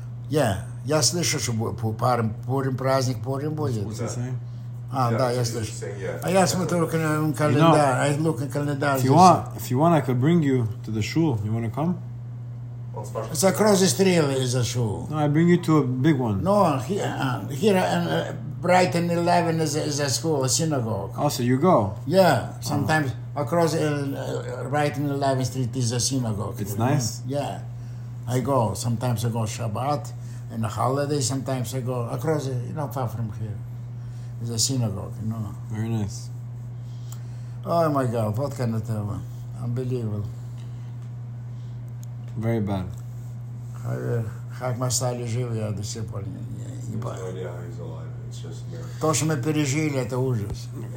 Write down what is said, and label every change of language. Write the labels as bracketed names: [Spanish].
[Russian] Yeah, я слышал, что Пурим праздник, Пурим будет. [English] What's that saying? Yeah, I asked him to look in the calendar. You know, I look in the calendar. If you want, I could bring you to the shul. You want to come? It's across the street, is a shul. No, I bring you to a big one. No, here in Brighton 11 is a school, a synagogue. Oh, so you go? Yeah, sometimes across Brighton 11 Street is a synagogue. It's nice? Yeah. I go. Sometimes I go Shabbat and holiday. Sometimes I go across, far from here. It's a synagogue, Very nice. Oh my God, what can I tell you? Unbelievable. Very bad. [Russian] Как мы стали живы, я до сих пор не понимаю. То, что мы пережили, это ужас.